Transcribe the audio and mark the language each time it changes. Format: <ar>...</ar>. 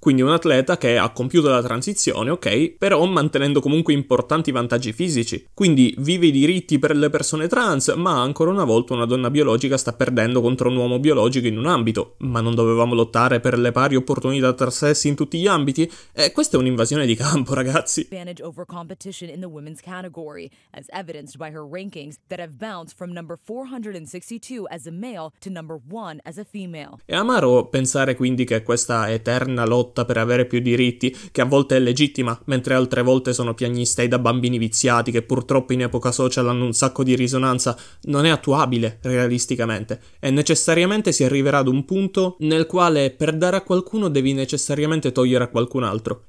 <it>Quindi un atleta che ha compiuto la transizione, ok, però mantenendo comunque importanti vantaggi fisici. Quindi vive i diritti per le persone trans, ma ancora una volta una donna biologica sta perdendo contro un uomo biologico in un ambito. Ma non dovevamo lottare per le pari opportunità tra sessi in tutti gli ambiti? Questa è un'invasione di campo, ragazzi.</it> <en>Advantage over competition in the women's category, as evidenced by her rankings that have bounced from number 462 as a male to number 1 as a female.</en> <it>È amaro pensare quindi che questa eterna lotta per avere più diritti, che a volte è legittima, mentre altre volte sono piagnistei da bambini viziati che purtroppo in epoca social hanno un sacco di risonanza, non è attuabile realisticamente. E necessariamente si arriverà ad un punto nel quale per dare a qualcuno devi necessariamente togliere a qualcun altro.</it>